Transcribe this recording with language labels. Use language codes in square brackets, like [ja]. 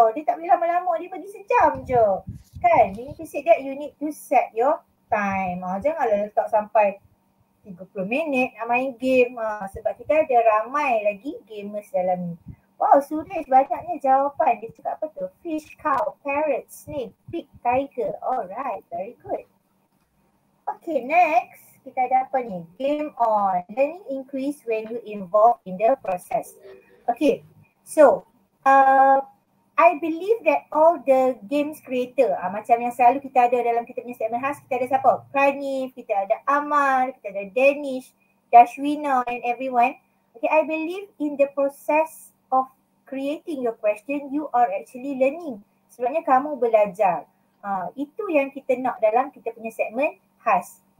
[ms] Dia tak boleh lama-lama, dia bagi sejam je. Kan, [en] you need to say that you need to set your time. [ms] Janganlah letak sampai 30 minit nak main game. Sebab kita ada ramai lagi gamers dalam ni. Wow, Suresh banyaknya jawapan. Dia cakap apa tu? [en] Fish, cow, parrot, snake, pig, tiger. Alright, very good. Okay, next. [ms] Kita ada apa ni? [en] Game on. Learning increase when you involve in the process. Okay. So, I believe that all the games creator, [ms] macam yang selalu kita ada dalam kita punya segmen khas, kita ada siapa? Pranif, kita ada Amar, kita ada Danish, Dashwina [en] and everyone. Okay, I believe in the process of creating your question, you are actually learning. [ms] Sebenarnya kamu belajar. Itu yang kita nak dalam kita punya segmen khas.